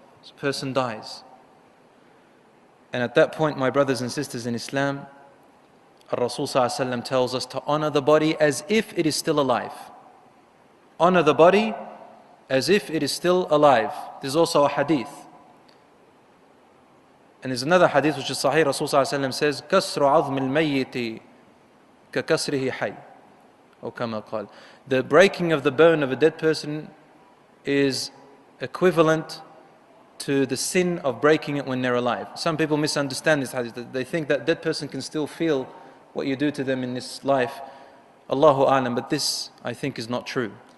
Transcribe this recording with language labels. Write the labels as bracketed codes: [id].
[en] This person dies. And at that point, my brothers and sisters in Islam, Rasul Sallallahu Alaihi Wasallam tells us to honor the body as if it is still alive. Honor the body as if it is still alive. There's also a hadith. And there's another hadith which is sahih. Rasul Sallallahu Alaihi Wasallam says, [ar] كَسْرُ عَظْمِ الْمَيِّتِ كَكَسْرِهِ حَيْ أو كَمَا قَالْ. [en] The breaking of the bone of a dead person is equivalent to the sin of breaking it when they're alive. Some people misunderstand this hadith. They think that dead person can still feel what you do to them in this life. Allahu A'lam. But this, I think, is not true.